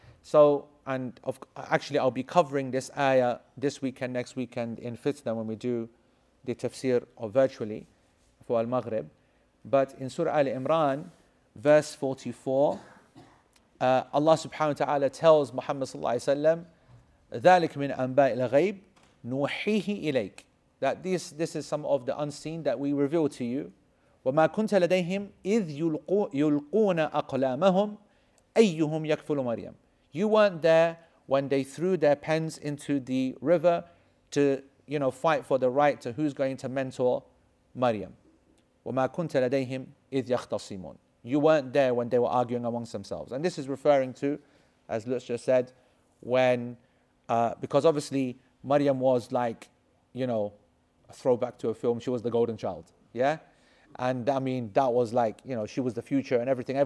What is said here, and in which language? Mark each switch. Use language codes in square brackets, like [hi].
[en] So, and of, actually, I'll be covering this ayah this weekend, next weekend in Fitna when we do the tafsir or virtually for Al-Maghrib. But in Surah Al-Imran, verse 44, Allah subhanahu wa ta'ala tells Muhammad sallallahu alayhi wa sallam, [ar] ذلك من أنباء الغيب نوحيه إليك. [en] That this is some of the unseen that we reveal to you. [ar] وما كنت لديهم إذ يلقون أقلامهم أيهم يكفل مريم. [en] You weren't there when they threw their pens into the river to, you know, fight for the right to who's going to mentor Maryam. [ar] وما كنت لديهم إذ يختصمون. [en] You weren't there when they were arguing amongst themselves. And this is referring to, as Lutz just said, when because obviously Maryam was like, you know, a throwback to a film. She was the golden child, yeah? And I mean, that was like, you know, she was the future and everything.